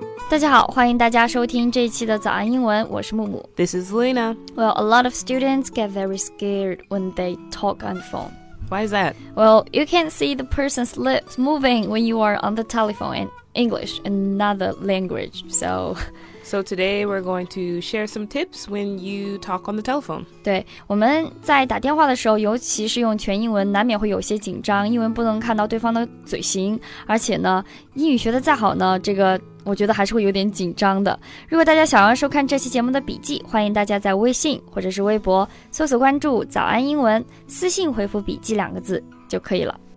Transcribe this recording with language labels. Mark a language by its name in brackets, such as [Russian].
[Chinese] 大家好，欢迎大家收听这一期的早安英文，我是木木。 [English] This is Lena. Well, a lot of students get very scared when they talk on the phone. Why is that? Well, you can see the person's lips moving when you are on the telephone in English, another language. So today we're going to share some tips when you talk on the telephone. [Chinese] 对，我们在打电话的时候，尤其是用全英文，难免会有些紧张，因为不能看到对方的嘴型，而且呢，英语学的再好呢，这个我觉得还是会有点紧张的。如果大家想要收看这期节目的笔记，欢迎大家在微信或者是微博搜索关注早安英文，私信回复笔记两个字就可以了。